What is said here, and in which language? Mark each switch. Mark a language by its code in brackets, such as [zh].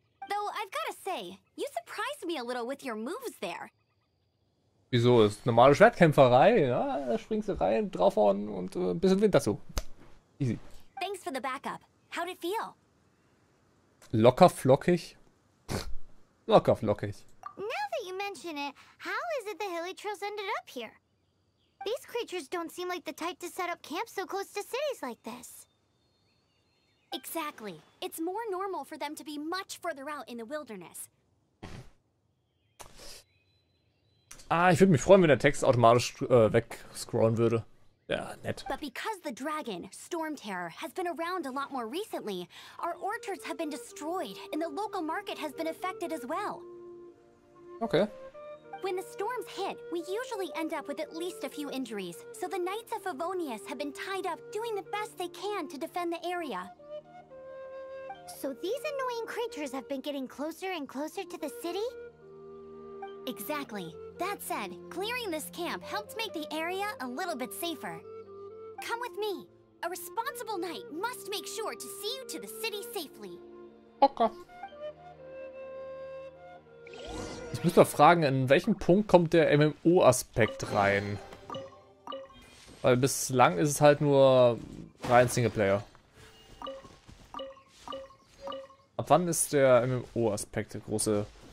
[en] Though I've gotta say, you surprised me a little with your moves there. [de] Wieso? Ist normale Schwertkämpferei, ja? Da springst du rein, draufhauen und ein bisschen Wind dazu. [en] Easy. Thanks for the backup. How'd it feel? [de] Locker flockig. Locker flockig. [en] Now that you mention it, how is it the hilly trolls ended up here? These creatures don't seem like the type to set up camp so close to cities like this. Exactly. It's more normal for them to be much further out in the wilderness. [de] Ah, ich würde mich freuen, wenn der Text automatisch wegscrollen würde. Ja, nett. [en] But because the dragon, Storm Terror, has been around a lot more recently, our orchards have been destroyed and the local market has been affected as well. Okay. When the storms hit, we usually end up with at least a few injuries, so the Knights of Favonius have been tied up doing the best they can to defend the area. So these annoying creatures have been getting closer and closer to the city? Exactly. That said, clearing this camp helped make the area a little bit safer. Come with me. A responsible knight must make sure to see you to the city safely. Okay. [de] Ich muss mal fragen, in welchem Punkt kommt der MMO-Aspekt rein? Weil bislang ist es halt nur rein Singleplayer. Ab wann ist der MMO-Aspekt der große...